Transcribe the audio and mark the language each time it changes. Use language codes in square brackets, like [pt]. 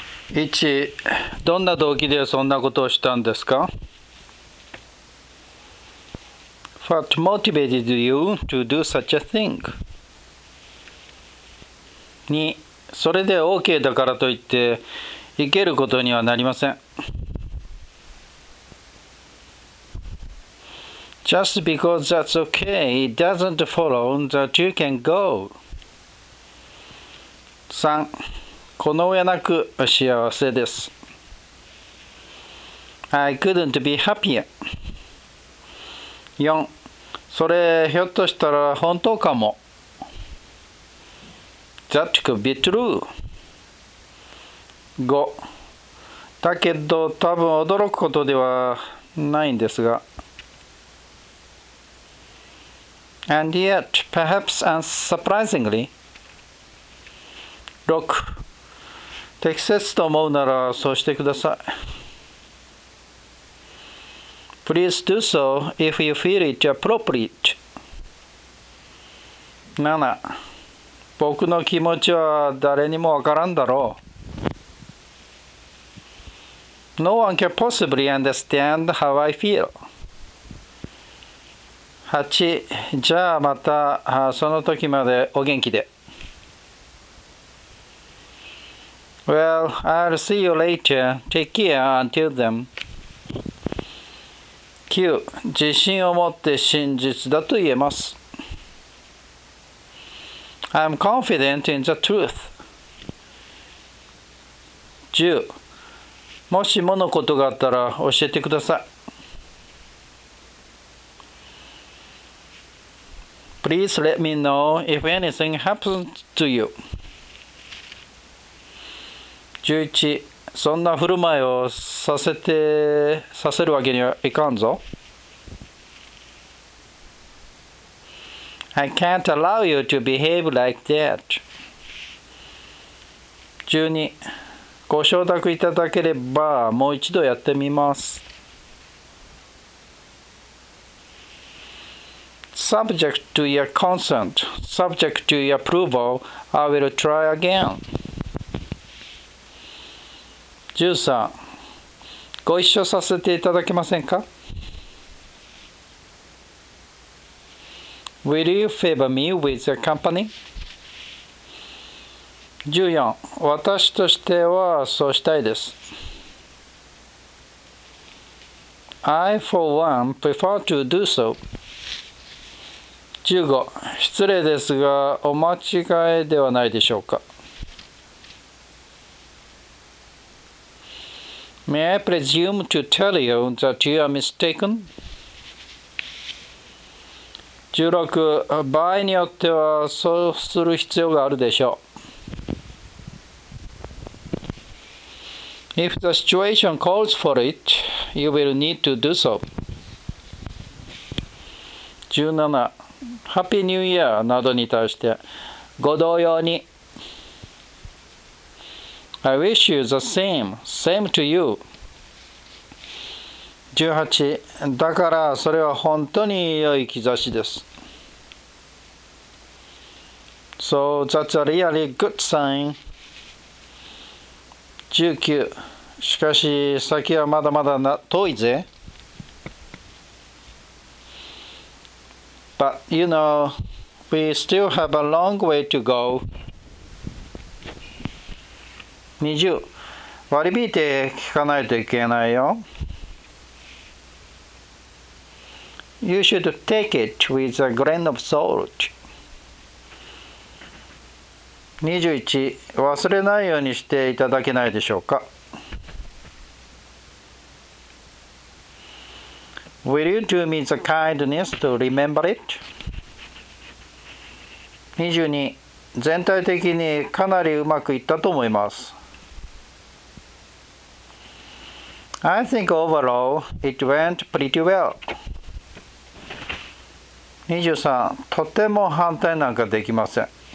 [ja] 1、どんな動機でそんなことをしたんですか？ [en] What motivated you to do such a thing? [ja] 2、それで OK だからといって行けることにはなりません。 [en] Just because that's okay, it doesn't follow that you can go. [ja] 3. この上なく幸せです。 [en] I couldn't be happier. 4. [ja] それひょっとしたら本当かも。 [en] That could be true. 5. [ja] だけど多分驚くことではないんですが。 [en] And yet, perhaps unsurprisingly, 6. [ja] 適切と思うならそうしてください。 [en] Please do so if you feel it appropriate. 7. [ja] 僕の気持ちは誰にもわからんだろう。 [en] No one can possibly understand how I feel. 8. [ja] じゃあまたその時までお元気で。 [en] Well, I'll see you later. Take care until then. 9. [ja] 自信を持って真実だと言えます。 [en] I'm confident in the truth. 10. [ja] もしものことがあったら教えてください。 [en] Please let me know if anything happens to you. 11. [ja] そんな振る舞いをさせるわけにはいかんぞ。 [en] I can't allow you to behave like that. 12. [ja] ご承諾いただければもう一度やってみます。 [en] Subject to your consent, subject to your approval, I will try again. 13. [ja] ご一緒させていただけませんか? [en] Will you favor me with your company? 14. [ja] 私としてはそうしたいです。 [en] I, for one, prefer to do so. 15. [ja] 失礼ですが、お間違いではないでしょうか。 [en] May I presume to tell you that you are mistaken? 16. [ja] 場合によってはそうする必要があるでしょう。 [en] If the situation calls for it, you will need to do so. 17. [ja] ハッピーニューイヤーなどに対してご同様に。 [en] I wish you the same to you. 18. [ja] だからそれは本当に良い兆しです。 [en] So that's a really good sign. 19. [ja] しかし先はまだまだ遠いぜ。 [en] But, you know, we still have a long way to go. 20. [ja] 割り引いて聞かないといけないよ。 [en] You should take it with a grain of salt. 21. [ja] 忘れないようにしていただけないでしょうか。 [en] Will you do me the kindness to remember it? 22. [ja] 全体的にかなりうまくいったと思います。 [en] I think overall it went pretty well. 23. [ja] とても反対なんかできません。